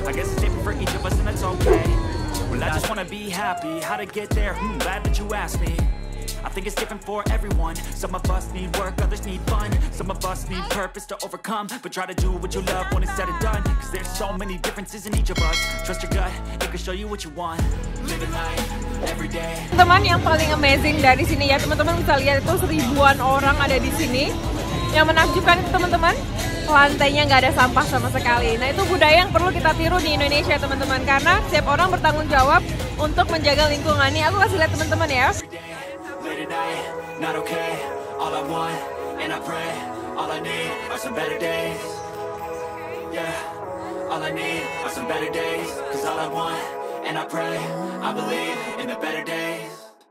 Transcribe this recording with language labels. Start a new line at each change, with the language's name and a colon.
English: I guess it's different for each of us and it's okay. Well, I just want to be happy. How to get there? Glad that you asked me. I think it's different for everyone. Some of us need work, others need fun. Some of us need purpose to overcome. But try to do what you love when it's said and done. Cause there's so many differences in each of us. Trust your gut, it can show you what you want. Living life, every day.
Indonesian: Teman-teman, yang paling amazing dari sini ya, teman-teman bisa lihat itu ribuan orang ada di sini. Yang menakjubkan teman-teman, lantainya nggak ada sampah sama sekali. Nah, itu budaya yang perlu kita tiru di Indonesia, teman-teman. Karena setiap orang bertanggung jawab untuk menjaga lingkungan. Nih, aku kasih lihat teman-teman ya.
English: Not okay, all I want, and I pray, all I need are some better days. Yeah, all I need are some better days. Cause all I want, and I pray, I believe in the better days.